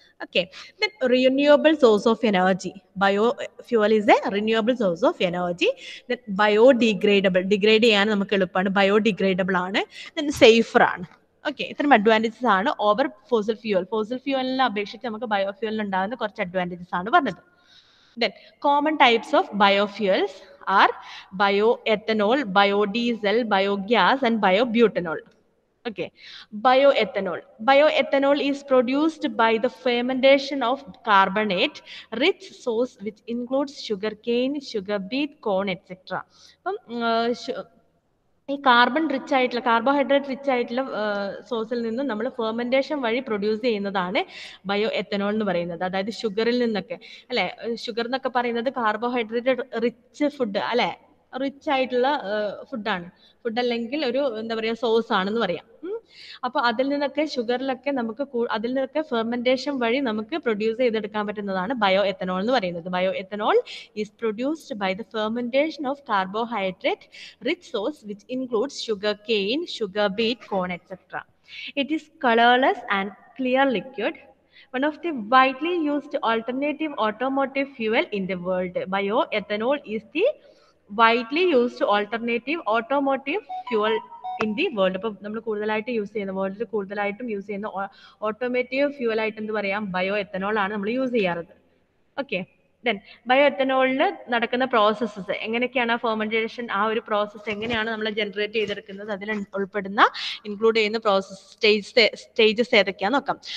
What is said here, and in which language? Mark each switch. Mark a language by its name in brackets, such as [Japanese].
[English] okay then renewable source of energy biofuel is a renewable source of energy then biodegradable [Malayalam] degrade ചെയ്യാൻ നമുക്ക് എളുപ്പമാണ് bio degradable ആണ് then safer ആണ് okay ഇത്രയും advantages ആണ് over fossil ഫ്യൂവലിനെ അപേക്ഷിച്ച് നമുക്ക് ബയോഫ്യൂലിനുണ്ടാകുന്ന കുറച്ച് അഡ്വാൻറ്റേജസ് ആണ് പറഞ്ഞത് [English] Then common types of biofuels are bioethanol, biodiesel, biogas and biobutanol. Okay, bioethanol. Bioethanol is produced by the fermentation of carbonate, rich source which includes sugarcane, sugar beet, corn, etc. [Malayalam] ഈ carbon rich ആയിട്ടുള്ള carbohydrate rich ആയിട്ടുള്ള സോഴ്സിൽ നിന്നും നമ്മൾ fermentation വഴി produce ചെയ്യുന്നതാണ് bio ethanol എന്ന് പറയുന്നത് അതായത് ഷുഗറിൽ നിന്നൊക്കെ അല്ലെ ഷുഗർ എന്നൊക്കെ പറയുന്നത് കാർബോഹൈഡ്രേറ്റ് റിച്ച് ഫുഡ് അല്ലെ റിച്ച് ആയിട്ടുള്ള ഫുഡാണ് ഫുഡ് അല്ലെങ്കിൽ ഒരു എന്താ പറയുക സോഴ്സ് ആണെന്ന് പറയാം അപ്പൊ അതിൽ നിന്നൊക്കെ ഷുഗറിലൊക്കെ നമുക്ക് അതിൽ നിന്നൊക്കെ ഫെർമെന്റേഷൻ വഴി നമുക്ക് പ്രൊഡ്യൂസ് ചെയ്തെടുക്കാൻ പറ്റുന്നതാണ് ബയോ എത്തനോൾ എന്ന് പറയുന്നത് [English] Bioethanol is produced by the fermentation of carbohydrate rich source which includes sugarcane sugar beet corn etcetera it is colourless and clear liquid One of the widely used alternative automotive fuel in the world. Bioethanol is the widely used alternative automotive fuel in the world. [Malayalam] ഇപ്പൊ നമ്മൾ കൂടുതലായിട്ട് use ചെയ്യുന്ന വേൾഡിൽ കൂടുതലായിട്ടും use ചെയ്യുന്ന automotive fuel ആയിട്ട് എന്ത് പറയാം, ബയോ എത്തനോൾ ആണ് നമ്മൾ യൂസ് ചെയ്യാറത്. ഓക്കെ, ദെൻ ബയോ എത്തനോളിൽ നടക്കുന്ന പ്രോസസ്സസ് എങ്ങനെയൊക്കെയാണ്, ഫെർമെന്റേഷൻ ആ ഒരു പ്രോസസ്സ് എങ്ങനെയാണ് നമ്മൾ ജനറേറ്റ് ചെയ്തെടുക്കുന്നത്, അതിൽ ഉൾപ്പെടുന്ന ഇൻക്ലൂഡ് ചെയ്യുന്ന പ്രോസസ് സ്റ്റേജസ് ഏതൊക്കെയാന്ന് നോക്കാം.